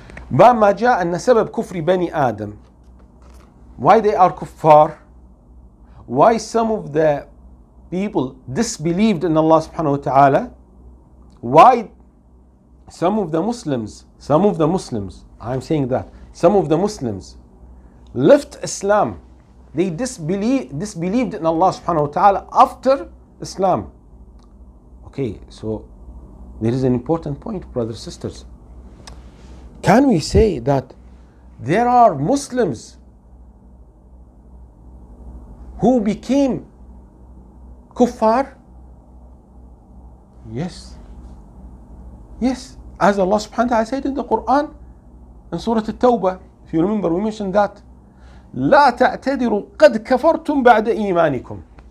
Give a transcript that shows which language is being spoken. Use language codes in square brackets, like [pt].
[ar] بما جاء أن سبب كفر بني آدم. [en] Why they are kuffar? Why some of the people disbelieved in Allah subhanahu wa ta'ala? Why some of the Muslims, some of the Muslims left Islam. They disbelieved in Allah subhanahu wa ta'ala after Islam. Okay, so there is an important point, brothers and sisters. Can we say that there are Muslims who became kuffar? Yes. Yes. As Allah subhanahu wa ta'ala said in the Quran, in Surah At-Tawbah, if you remember, we mentioned that. [ar] لا تعتذروا قد كفرتم بعد إيمانكم.